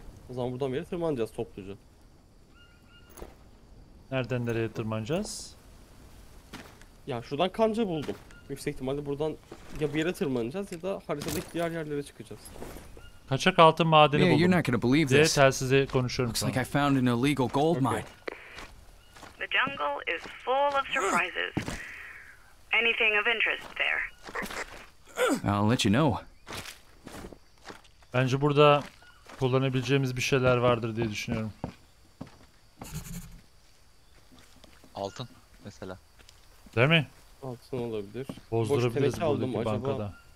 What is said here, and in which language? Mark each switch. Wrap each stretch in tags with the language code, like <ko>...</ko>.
<tr>O zaman buradan bir yere tırmanacağız topluca. Nereden nereye tırmanacağız? Ya şuradan kanca buldum. Yüksek ihtimalle buradan ya bir yere tırmanacağız ya da haritadaki diğer yerlere çıkacağız. Kaçak altın madeni buldum.</tr> <en>You're not gonna believe this.</en> <tr>Telsize konuşuyorum.</tr> <en>Looks like I found an illegal gold mine. The jungle is full of surprises. Anything of interest there? I'll let you know.</en> <tr>Bence burada kullanabileceğimiz bir şeyler vardır diye düşünüyorum. Altın mesela. Değil mi? Altın olabilir. Bozdurabiliriz buradaki bankada.</tr>